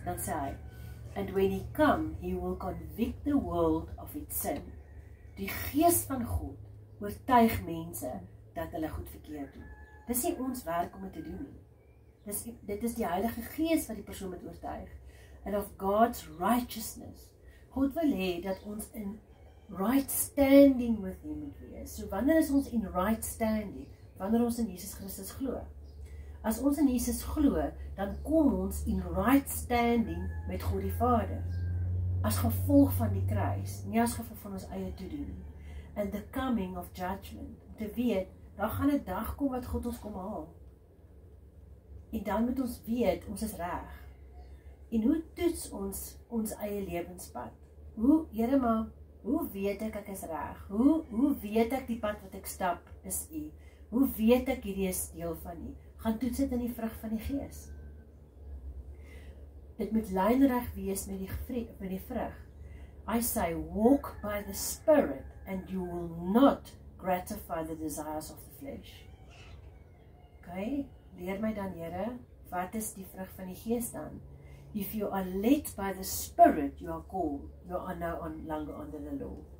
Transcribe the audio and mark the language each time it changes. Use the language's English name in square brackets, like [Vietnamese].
[Afrikaans] Dan sê hy, [English] and when he come, he will convict the world of its sin. [Afrikaans] Die Gees van God oortuig mense dat hulle goed verkeerd doen. Dis nie ons werk om dit te doen nie. Dit is die Heilige Gees wat die persoon moet oortuig. [English] And of God's righteousness. [Afrikaans] God wil hê dat ons in [English] right standing with him [Afrikaans] moet wees. So wanneer is ons in right standing? Wanneer ons in Jesus Christus glo. As ons in Jesus glo, dan kom ons in right standing met God die Vader. As gevolg van die kruis, nie as gevolg van ons eie te doen. [English] And the coming of judgment. [Afrikaans] Te weet, daar gaan 'n dag kom wat God ons kom haal. En dan moet ons weet, ons is reg. En hoe toets ons ons eie lewenspad? Hoe, Here, maar hoe weet ek ek is reg? Hoe weet ek die pad wat ek stap is U? Hoe weet ek hierdie is deel van U? Gaan toets dit in die vrug van die Gees. Dit moet lynreg wees met die vrug. [English] I say, walk by the Spirit and you will not gratify the desires of the flesh. [Afrikaans] Okay, leer my dan, Here, wat is die vrug van die Gees dan? [English] If you are led by the Spirit, you are called. You are now on longer under the law.